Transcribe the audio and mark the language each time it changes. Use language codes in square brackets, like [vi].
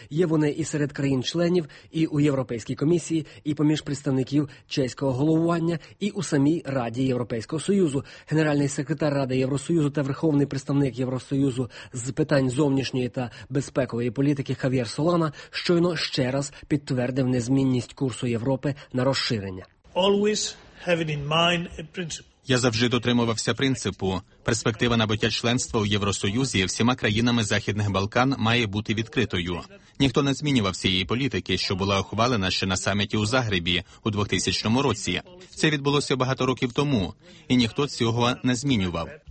[uk] Є вони і серед країн-членів, і у Європейській комісії, і поміж представників чеського головування, і у самій Раді Європейського Союзу. Генеральний секретар Ради Євросоюзу та Верховний представник Євросоюзу з питань зовнішньої та безпекової політики Хав'єр Солана щойно ще раз підтвердив незмінність курсу Європи на розширення. [en] Always have it in mind a principle. [uk] Я завжди дотримувався принципу: перспектива набуття членства у Євросоюзі всіма країнами Західних Балкан має бути відкритою. Ніхто не змінював цієї політики, що була ухвалена ще на саміті у Загребі у 2000 році. Це відбулося багато років тому, і ніхто цього не змінював.